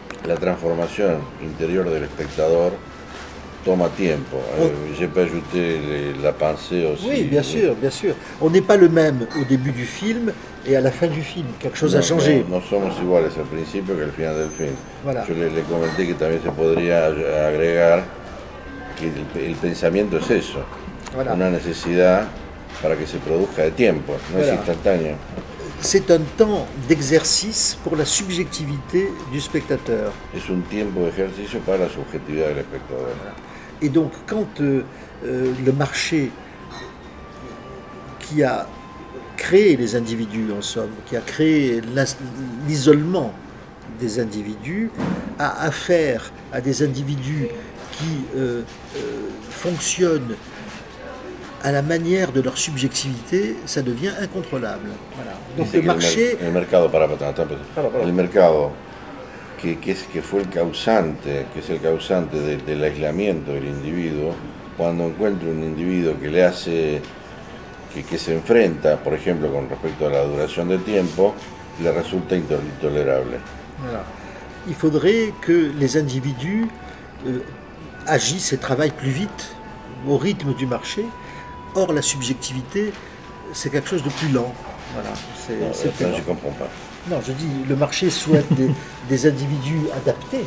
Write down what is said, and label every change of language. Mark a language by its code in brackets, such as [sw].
[es] La transformación interior del espectador toma tiempo. [fr] J'ai pas ajouté la pensée aussi. Oui, bien sûr, bien sûr. On n'est pas le même au début du film et à la fin du film. Quelque chose a changé. [es] No somos iguales al principio que al final del film. [fr] Voilà. [es] Yo le comenté que también se podría agregar que el pensamiento es eso. [fr] Voilà. [es] Una necesidad para que se produzca de tiempo, no [fr] voilà. [es] Es instantáneo. [fr] C'est un temps d'exercice pour la subjectivité du spectateur. [es] Es un tiempo de ejercicio para la subjetividad del espectador. [fr] Voilà. Et donc, quand le marché qui a créé les individus, en somme, qui a créé l'isolement des individus, a affaire à des individus qui fonctionnent à la manière de leur subjectivité, ça devient incontrôlable. Voilà. Donc [es] le mercado que fue el causante, que es el causante del aislamiento del individuo, cuando encuentra un individuo que le hace que se enfrenta, por ejemplo, con respecto a la duración de tiempo, le resulta intolerable. [fr] Voilà. Il faudrait que les individus agissent et travaillent plus vite au rythme du marché. Or, la subjectivité, c'est quelque chose de plus lent. Voilà. Je ne comprends pas. Non, je dis, le marché souhaite des individus adaptés